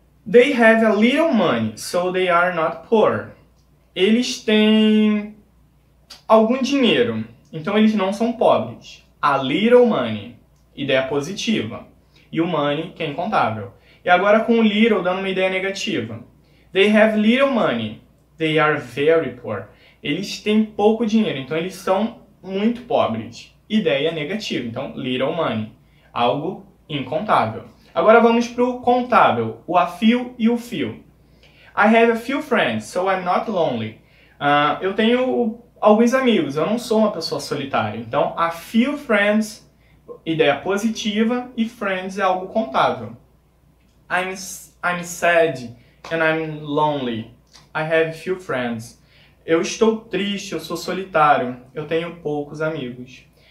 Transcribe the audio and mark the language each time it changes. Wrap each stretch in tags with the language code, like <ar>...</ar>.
<en>They have a little money, so they are not poor.</en> <pt>Eles têm algum dinheiro, então eles não são pobres.</pt> <en>A little money,</en> <pt>ideia positiva. E o money, que é incontável. E agora com o little, dando uma ideia negativa.</pt> <en>They have little money. They are very poor.</en> <pt>Eles têm pouco dinheiro, então eles são muito pobres. Ideia negativa, então little money, algo incontável. Agora vamos para o contável, o a few e o few.</pt> <en>I have a few friends, so I'm not lonely.</en> <pt>Eu tenho alguns amigos, eu não sou uma pessoa solitária. Então, a few friends, ideia positiva, e friends é algo contável.</pt> <en>I'm sad and I'm lonely. I have few friends.</en> <pt>Eu estou triste, eu sou solitário, eu tenho poucos amigos.</pt>